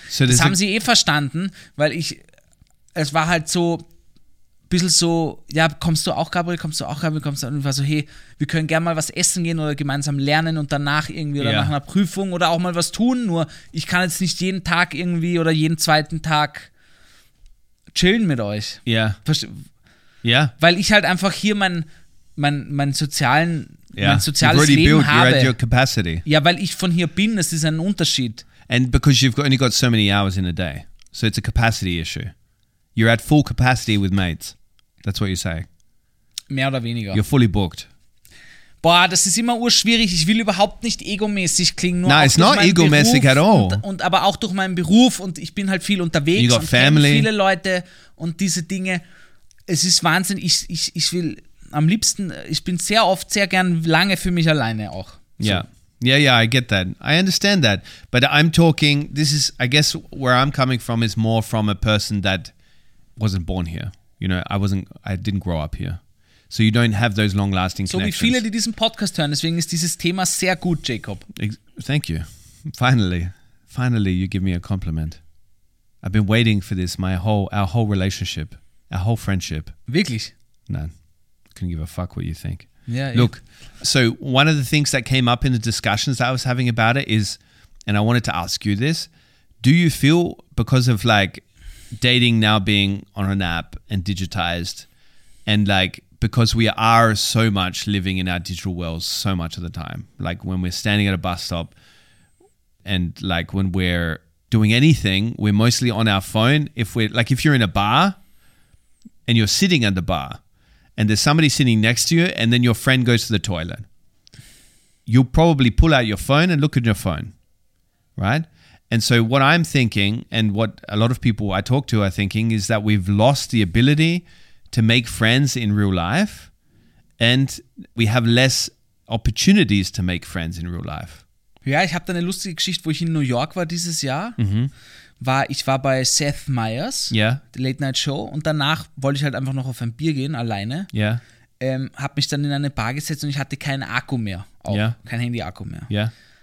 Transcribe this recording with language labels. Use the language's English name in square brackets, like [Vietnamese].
[German] So das haben sie eh verstanden, weil ich, es war halt so, ein bisschen so, ja, kommst du auch, Gabriel, und ich war so, hey, wir können gerne mal was essen gehen oder gemeinsam lernen und danach irgendwie oder nach einer Prüfung oder auch mal was tun, nur ich kann jetzt nicht jeden Tag irgendwie oder jeden zweiten Tag chillen mit euch. Ja. [English] Yeah. [German] Weil ich halt einfach hier mein soziales Leben habe. [English] You're at your capacity. [German] Ja, weil ich von hier bin, das ist ein Unterschied. [English] And because you've only got so many hours in a day. So it's a capacity issue. You're at full capacity with mates. That's what you say. [German] Mehr oder weniger. [English] You're fully booked. [German] Boah, das ist immer urschwierig. Ich will überhaupt nicht egomäßig klingen. Nein, [English] it's not egomäßig at all. [German] Und aber auch durch meinen Beruf und ich bin halt viel unterwegs. [English] You got [German] und [English] family. [German] Viele Leute und diese Dinge. Es ist Wahnsinn. Ich will am liebsten, ich bin sehr oft, sehr gern lange für mich alleine auch. Ja, so. [English] Yeah, I get that. I understand that. But I'm talking, this is, I guess where I'm coming from is more from a person that wasn't born here. You know, I didn't grow up here. So you don't have those long-lasting connections. [German] So wie viele, die diesen Podcast hören, deswegen ist dieses Thema sehr gut, Jacob. [English] Thank you. Finally. Finally, you give me a compliment. I've been waiting for this, our whole relationship, our whole friendship. [German] Wirklich? Nein. [English] Couldn't give a fuck what you think. Yeah. Look, so one of the things that came up in the discussions that I was having about it is, and I wanted to ask you this, do you feel because of like dating now being on an app and digitized and like, because we are so much living in our digital worlds so much of the time, like when we're standing at a bus stop and like when we're doing anything, we're mostly on our phone. If we're like, if you're in a bar and you're sitting at the bar and there's somebody sitting next to you and then your friend goes to the toilet, you'll probably pull out your phone and look at your phone, right? And so what I'm thinking and what a lot of people I talk to are thinking is that we've lost the ability to make friends in real life and we have less opportunities to make friends in real life. [German] Ja, ich habe da eine lustige Geschichte, wo ich in New York war dieses Jahr. Ich war bei Seth Meyers, [English] yeah, [German] die Late Night Show, und danach wollte ich halt einfach noch auf ein Bier gehen, alleine. [English] Yeah. [German] Habe mich dann in eine Bar gesetzt und ich hatte keinen Akku mehr. Auch, yeah. Kein Handy-Akku mehr. [English] Yeah.